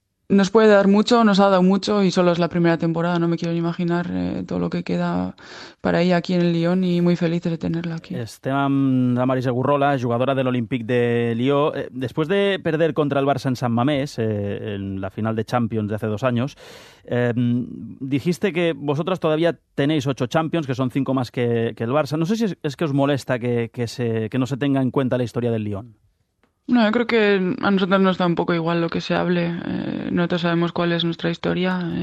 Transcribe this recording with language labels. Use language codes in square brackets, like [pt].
[es] Nos puede dar mucho, nos ha dado mucho y solo es la primera temporada. No me quiero ni imaginar todo lo que queda para ella aquí en el Lyon y muy feliz de tenerla aquí. [ca] Estem amb la Maris Agurrola, jugadora de l'Olympique de Lió. [es] Després de perder contra el Barça en San Mamés, en la final de Champions de hace 2 años, dijiste que vosotras todavía tenéis 8 Champions, que son 5 más que el Barça. No sé si es que os molesta que no se tenga en cuenta la historia del Lyon. No, yo creo que a nosotros nos da un poco igual lo que se hable. Nosotros sabemos cuál es nuestra historia.